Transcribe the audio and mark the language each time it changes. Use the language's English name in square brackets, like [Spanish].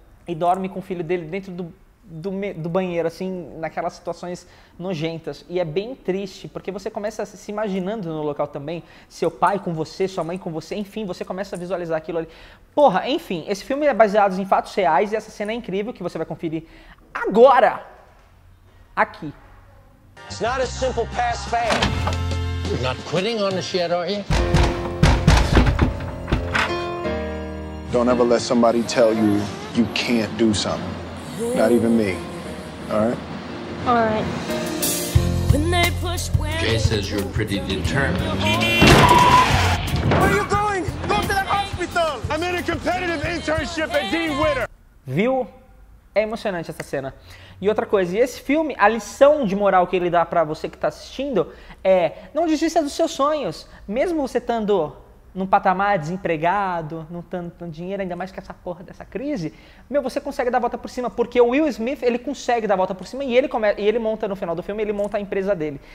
[Portuguese] E dorme com o filho dele dentro do banheiro, assim, naquelas situações nojentas. E é bem triste, porque você começa se imaginando no local também. Seu pai com você, sua mãe com você, enfim, você começa a visualizar aquilo ali. Porra, enfim, esse filme é baseado em fatos reais e essa cena é incrível, que você vai conferir agora, aqui. [English] It's not a simple pass fail. You're not quitting on this yet, are you? Don't ever let somebody tell you you can't do something. Not even me. All right. Jay says you're pretty determined. Where are you going? Go to the hospital. I'm in a competitive internship at Dean Witter. [Portuguese] Viu? É emocionante essa cena. E outra coisa, esse filme, a lição de moral que ele dá pra você que tá assistindo é: não desista dos seus sonhos. Mesmo você estando num patamar desempregado, não tanto dinheiro, ainda mais que essa porra dessa crise, meu, você consegue dar a volta por cima, porque o Will Smith, ele consegue dar a volta por cima e ele monta, no final do filme, ele monta a empresa dele.